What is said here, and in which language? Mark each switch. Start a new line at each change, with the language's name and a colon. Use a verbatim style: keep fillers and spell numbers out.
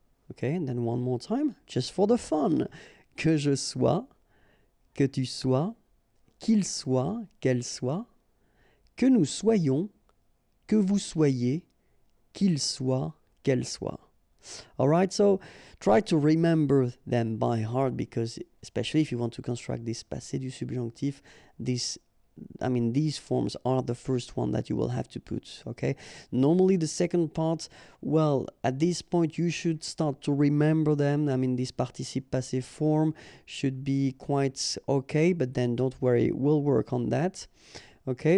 English: Okay, and then one more time, just for the fun.
French: Que je sois, que tu sois, qu'il soit, qu'elle soit, que nous soyons, que vous soyez, qu'il soit, qu'elle soit.
English: All right, so try to remember them by heart, because especially if you want to construct this passé du subjonctif, this, I mean, these forms are the first one that you will have to put, okay? Normally the second part, well, at this point you should start to remember them. I mean, this participe passé form should be quite okay, but then don't worry, we'll work on that, okay?